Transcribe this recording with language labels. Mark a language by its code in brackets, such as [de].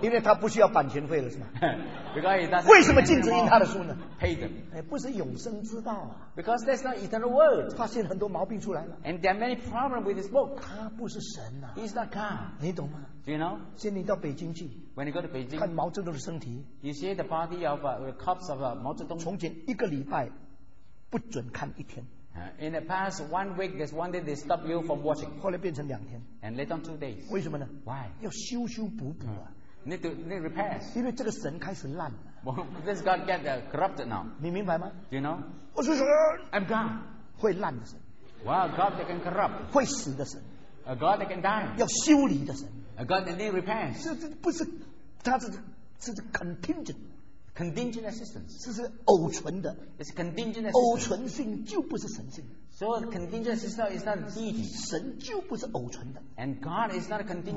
[zh] 因为他不需要版权费了，是吗？ [en] Because he doesn't. [zh] 为什么禁止印他的书呢？ [en] Paid them. [zh] 不是永生之道啊。 [en] Because that's not eternal word. [zh] 发现很多毛病出来了。 [en] And there are many problems with his book. [zh] 他不是神啊。 [en] He's not God. [zh] 你懂吗？ [en] Do you know? [zh] 现在你到北京去。 [en] When you go to Beijing, [zh] 看毛泽东的身体, [en] you see the body of the corpse of Mao Zedong. [zh] 从前一个礼拜不准看一天。 [en] In the past 1 week, there's one day they stop you from watching. [zh] 后来变成2天。 [en] And later on 2 days. [zh] 为什么呢? [en] Why? [zh] 要修修补补啊。 [en] Need repairs. [zh] 因为这个神开始烂了。 [en] This God get corrupted now. [zh] 你明白吗? [en] Do you know? [zh] 我是神。 [en] I'm God. [zh] 会烂的神。 [en] Wow, God that can corrupt. [zh] 会死的神。 [en] A God that can die. [zh] 要修理的神。 [en] A God that needs repairs. [zh] 这不是，它是 contingent, [en] contingent assistance. [zh] 这是偶存的。 [en] It's contingent assistance. [zh] 偶存性就不是神性。 [en] So contingent assistance is not deity. [zh] 神就不是偶存的。 [en] And God is not a contingent.